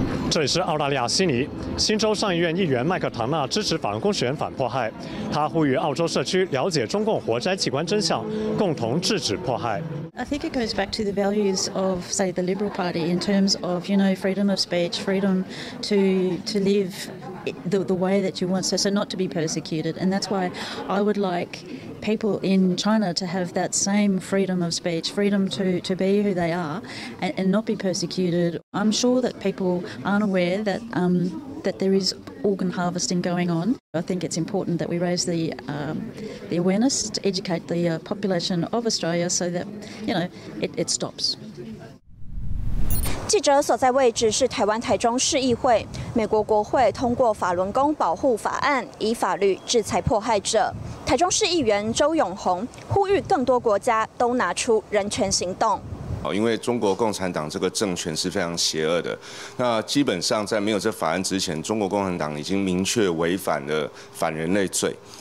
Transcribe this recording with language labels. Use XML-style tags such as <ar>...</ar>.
<zh>这里是澳大利亚悉尼，新州上议院议员麦克唐纳支持法轮功学员反迫害，他呼吁澳洲社区了解中共活摘器官真相，共同制止迫害。</zh> <en>I think it goes back to the values of, say, the Liberal Party in terms of, you know, freedom of speech, freedom to live the way that you want, so not to be persecuted, and that's why I would like. People in China to have that same freedom of speech, freedom to be who they are, and not be persecuted. I'm sure that people aren't aware that, that there is organ harvesting going on. I think it's important that we raise the awareness to educate the population of Australia so that, you know, it stops.</en> <zh>记者所在位置是台湾台中市议会，美国国会通过法轮功保护法案，以法律制裁迫害者。台中市议员周永宏呼吁更多国家都拿出人权行动。因为中国共产党这个政权是非常邪恶的，那基本上在没有这法案之前，中国共产党已经明确违反了反人类罪。</zh>